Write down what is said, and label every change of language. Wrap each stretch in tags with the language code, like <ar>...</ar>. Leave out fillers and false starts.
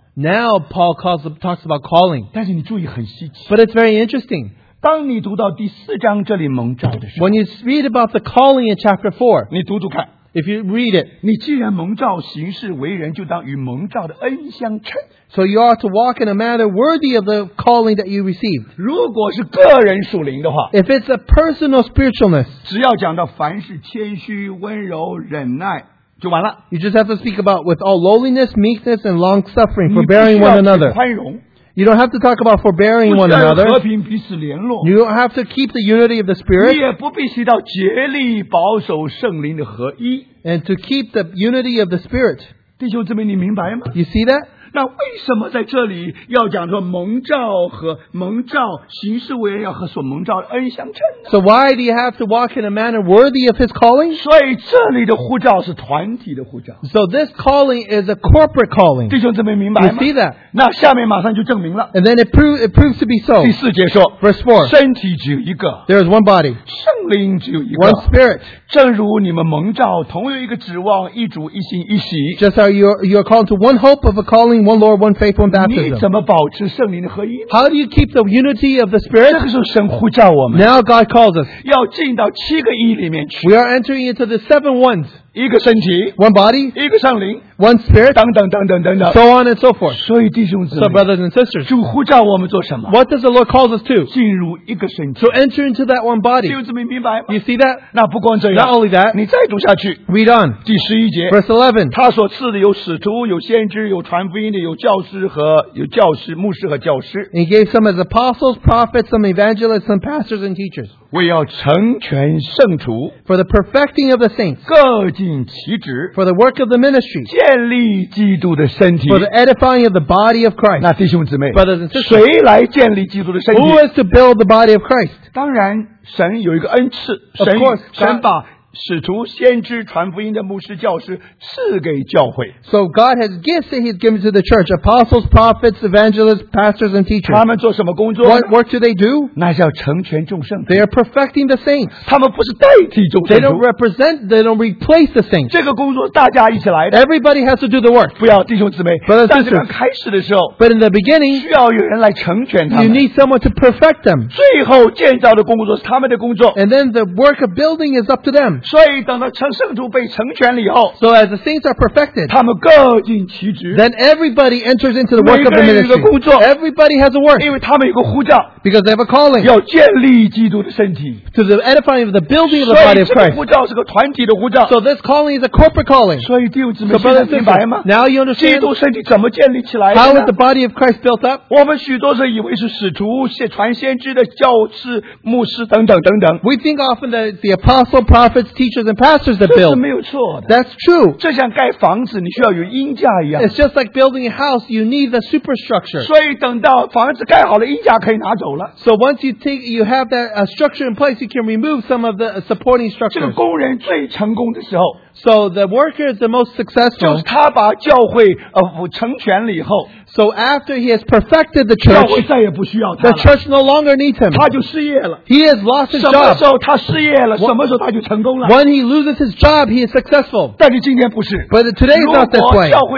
<en>Now Paul talks about calling.</en> <zh>但是你注意很稀奇。</zh> <en>But it's very interesting.</en> <zh>当你读到第四章这里蒙召的时候,</zh> <en>when you read about the calling in chapter 4,</en> <zh>你读读看。</zh> <en>If you read it,</en> <zh>你既然蒙召行事为人就当与蒙召的恩相称。</zh> <en>So you ought to walk in a manner worthy of the calling that you received.</en> <zh>如果是个人属灵的话。</zh> <en>If it's a personal spiritualness,</en> <zh>只要讲到凡事谦虚、温柔、忍耐。就完了。</zh> <en>You just have to speak about with all lowliness, meekness, and long suffering, forbearing one another.</en> <zh>宽容。</zh> <en>You don't have to talk about forbearing one another.</en> <zh>和平彼此联络。</zh> <en>You don't have to keep the unity of the Spirit.</en> <zh>你也不必提到竭力保守圣灵的合一。</zh> <en>And to keep the unity of the Spirit.</en> <zh>弟兄姊妹，你明白吗？</zh> <en>You see that?</en> <zh>那为什么在这里要讲说蒙召和蒙召行事为人要和所蒙召的恩相称呢？</zh> <en>So why do you have to walk in a manner worthy of his calling?</en> <zh>所以这里的呼召是团体的呼召。</zh> <en>So this calling is a corporate calling.</en> <zh>弟兄姊妹明白吗？</zh> <en>You see that?</en> <zh>那下面马上就证明了。</zh> <en>And then it proves to be so.</en> <zh>第四节说</zh> <en>Verse 4.</en> <zh>身体只有一个。</zh> <en>There is one body.</en> <zh>圣灵只有一个。</zh> <en>One spirit.</en> <zh>正如你们蒙召同有一个指望一主一心一喜。</zh> <en>Just how you are called to one hope of a calling One Lord, one faith, one baptism.</en> <zh>你怎么保持圣灵的合一?</zh> <en>How do you keep the unity of the Spirit?</en> <zh>这个时候神呼召我们。</zh> <en>Now God calls us.</en> <zh>要进到七个一里面去。</zh> <en>We are entering into the seven ones.</en> <zh>一个身体,</zh> <en>one body,</en> <zh>一个圣灵,</zh> <en>one spirit,</en> <zh>等等等等等等,</zh> <en>so on and so forth.</en> <zh>所以弟兄姊妹,</zh> <en>so brothers and sisters,</en> <zh>主呼召我们做什么?</zh> <en>What does the Lord call us to?</en> <zh>进入一个身体,</zh> <en>so enter into that one body.</en> <zh>弟兄姊妹明白吗?</zh> <en>You see that?</en> <zh>那不光这样,</zh> <en>not only that,</en> <zh>你再读下去,</zh> <en>read on.</en> <zh>第十一节,</zh> <en>verse 11,</en> <zh>他所赐的有使徒, 有先知, 有传福音的, 有教师和, 有教师, 牧师和教师。</zh> <en>He gave some as apostles, prophets, some evangelists, some pastors and teachers.</en> <zh>为要成全圣徒,</zh> <en>for the perfecting of the saints.</en> <zh>各尽其职,</zh> <en>for the work of the ministry.</en> <zh>建立基督的身体,</zh> <en>for the edifying of the body of Christ.</en> <zh>那弟兄姊妹,</zh> <en>brothers and sisters,</en> <zh>谁来建立基督的身体?</zh> <en>Who is to build the body of Christ?</en> <zh>当然神有一个恩赐,</zh> <en>of course,</en> <zh>神把使徒、先知、传福音的牧师、教师赐给教会。</zh> <en>So God has gifts that He's given to the church: apostles, prophets, evangelists, pastors, and teachers.</en> <zh>他们做什么工作?</zh> <en>What work do they do?</en> <zh>那叫成全众圣。</zh> <en>They are perfecting the saints.</en> <zh>他们不是代替众圣。</zh> <en>They don't represent. They don't replace the saints.</en> <zh>这个工作大家一起来的。</zh> <en>Everybody has to do the work.</en> <zh>不要弟兄姊妹。</zh> <en>But at the beginning, but in the beginning,</en> <zh>需要有人来成全他们。</zh> <en>You need someone to perfect them.</en> <zh>最后建造的工作是他们的工作。</zh> <en>And then the work of building is up to them.</en> <zh>所以等到成圣徒被成全了以后</zh> <en>So as the saints are perfected</en> <zh>他们各尽其职</zh> <en>Then everybody enters into the work of the ministry</en> <zh>每个人有个工作</zh> <en>Everybody has a work</en> <zh>因为他们有个呼召</zh> <en>Because they have a calling</en> <zh>要建立基督的身体</zh> <en>To the edifying of the building of the body of Christ</en> <zh>所以这个呼召是个团体的呼召</zh> <en>So this calling is a corporate calling</en> <zh>所以弟兄姊妹现在明白吗</zh> <en>Now you understand</en> <zh>基督身体怎么建立起来的</zh> <en>How is the body of Christ built up</en> <zh>我们许多人以为是使徒传先知的教师牧师等等等等</zh> <en>We think often that the apostle, prophetsteachers and pastors that build. That's true.</en> <zh>这像盖房子你需要有硬架一样。</zh> <en>It's just like building a house, you need the superstructure.</en> <zh>所以等到房子盖好了硬架可以拿走了。</zh> <en>So once you take, you have that structure in place, you can remove some of the supporting structures.</en> <zh>这个工人最成功的时候。</zh> <en>So the worker is the most successful.</en> <zh>就是他把教会成全了以后。</zh> <en>So after he has perfected the church,</en> <zh>教会再也不需要他了。</zh> <en>The church no longer needs him.</en> <zh>他就失业了。</zh> <en>He has lost his job.</en> <zh>什么时候他失业了什么时候他就成功了。</zh> <en>When he loses his job, he is successful. But today is not this way.</en>